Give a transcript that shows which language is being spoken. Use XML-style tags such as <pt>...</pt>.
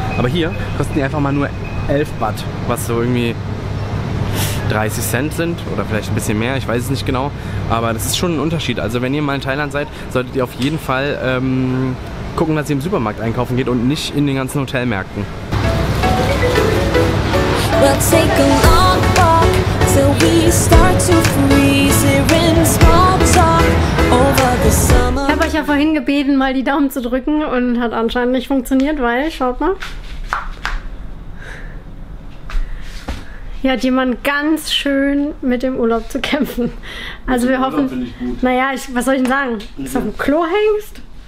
<de>Aber hier kosten die einfach mal nur 11 Baht, was so irgendwie 30 Cent sind oder vielleicht ein bisschen mehr, ich weiß es nicht genau. Aber das ist schon ein Unterschied. Also wenn ihr mal in Thailand seid, solltet ihr auf jeden Fall gucken, dass ihr im Supermarkt einkaufen geht und nicht in den ganzen Hotelmärkten.</de> <en>We'll take a long walk till we start to freeze here in small talk over the summer.</en> <de>Ich habe euch ja vorhin gebeten, mal die Daumen zu drücken und hat anscheinend nicht funktioniert, weil, schaut mal. Hier hat jemand ganz schön mit dem Urlaub zu kämpfen. Also wir hoffen, naja, was soll ich denn sagen, dass du auf dem Klo hängst?</de>